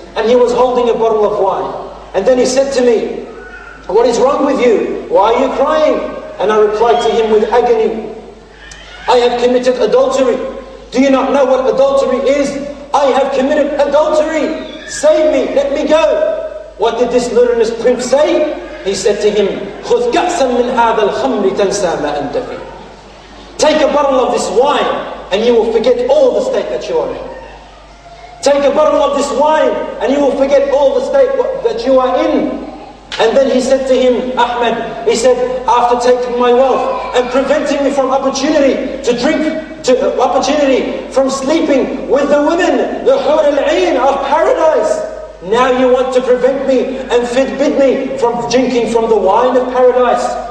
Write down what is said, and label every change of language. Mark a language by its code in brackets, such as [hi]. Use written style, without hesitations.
[en] And he was holding a bottle of wine. And then he said to me, what is wrong with you? Why are you crying? And I replied to him with agony, I have committed adultery. Do you not know what adultery is? I have committed adultery. Save me, let me go. What did this lewdness pimp say? He said to him, [ar] خُذْ كَأْسًا مِنْ هَذَا الْخَمْرِ تَنْسَى مَا أَنْتَ فِيهِ. [en] Take a bottle of this wine and you will forget all the state that you are in. Take a bottle of this wine and you will forget all the state that you are in. And then he said to him, Ahmed, he said, after taking my wealth and preventing me from opportunity to drink, opportunity from sleeping with the women, the Hur al-Ain of paradise, now you want to prevent me and forbid me from drinking from the wine of paradise.